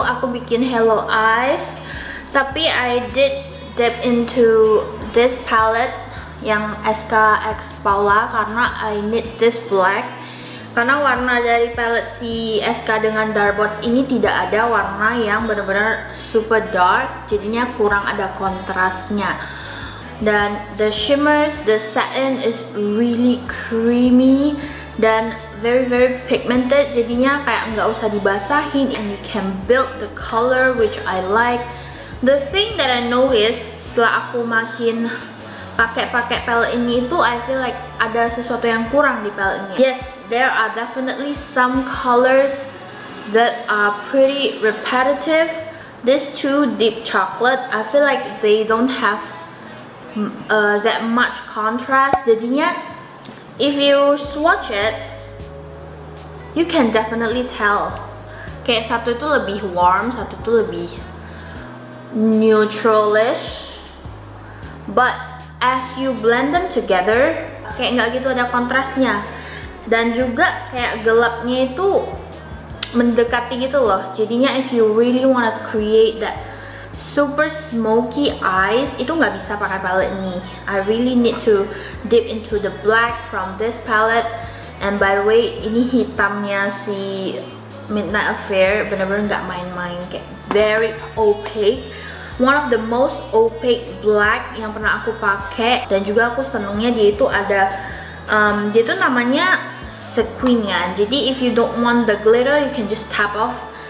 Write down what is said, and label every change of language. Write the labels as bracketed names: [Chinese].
[Indonesian] Aku bikin [English] hello eyes. [Indonesian] Tapi [English] I did dip into this palette yang SK X Paula karena I need this black. [Indonesian] Karena warna dari palette si SK dengan Darbots ini tidak ada warna yang benar-benar super dark. Jadinya kurang ada kontrasnya. [English] Dan the shimmers, the satin is really creamy dan very very pigmented, [Indonesian] jadinya kayak nggak usah dibasahin [English] and you can build the color which I like. The thing that I notice [Indonesian] setelah aku makin pakai palette ini itu [English] I feel like [Indonesian] ada sesuatu yang kurang di palette ini. [English] Yes, there are definitely some colors that are pretty repetitive. These two deep chocolate, I feel like they don't have that much contrast. Jadinya if you swatch it, you can definitely tell. [Indonesian] Kayak satu itu lebih warm, satu itu lebih neutralish. [English] But as you blend them together, [Indonesian] kayak nggak gitu ada kontrasnya. Dan juga kayak gelapnya itu mendekati gitu loh. [English] Jadinya if you really wanna create that super smoky eyes, [Indonesian] itu nggak bisa pakai palette ini. [English] I really need to dip into the black from this palette. And by the way, [Indonesian] ini hitamnya si Midnight Affair benar-benar nggak main-main, kayak [English] very opaque. One of the most opaque black [Indonesian] yang pernah aku pakai. Dan juga aku senengnya dia itu ada, dia itu namanya sequin ya. [English] Jadi if you don't want the glitter, you can just tap off.